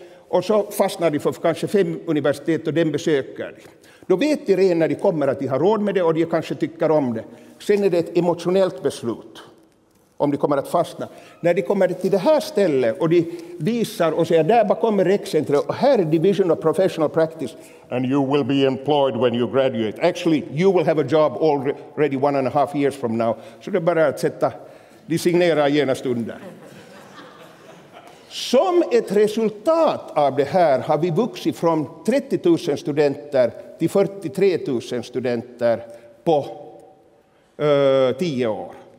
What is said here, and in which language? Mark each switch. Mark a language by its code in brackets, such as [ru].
[sv] Och så fastnar de för kanske 5 universitet och den besöker de. Då vet de redan när de kommer att de har råd med det och de kanske tycker om det. Sen är det ett emotionellt beslut om de kommer att fastna. När de kommer till det här stället och de visar och säger där bakom är rekcentret och här är Division of Professional Practice. [en] And you will be employed when you graduate. Actually, you will have a job already 1.5 years from now. [sv] Så det är bara att sätta, de signerar genast under. Som ett resultat av det här har vi vuxit från 30 000 studenter till 43 000 studenter på 10 år.